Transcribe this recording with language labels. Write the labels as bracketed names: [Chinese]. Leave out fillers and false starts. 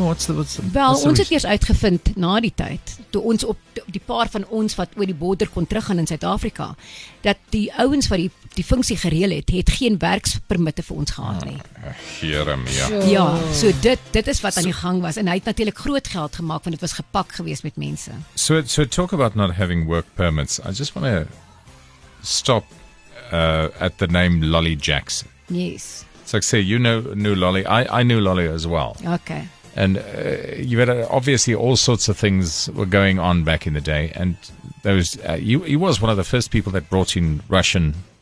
[Afrikaans] Ons het eers uitgevind na die tyd, toe ons op die paar van ons wat oor die border kon teruggaan in Suid-Afrika, dat die ouens wat die funksie gereël het, het geen werkspermitte vir ons gehad nie. Jeremia. Ja, so dit is wat aan die gang was. En hy het natuurlik groot geld gemaak, want het was gepak geweest met mense. [English] So talk about not having work permits. I just want to stop at the name Lolly Jackson. Yes. So like say, you knew Lolly. I knew Lolly as well. Okay. And you had obviously all sorts of things were going on back in the day. And there was he was one of the first people that brought in Russians.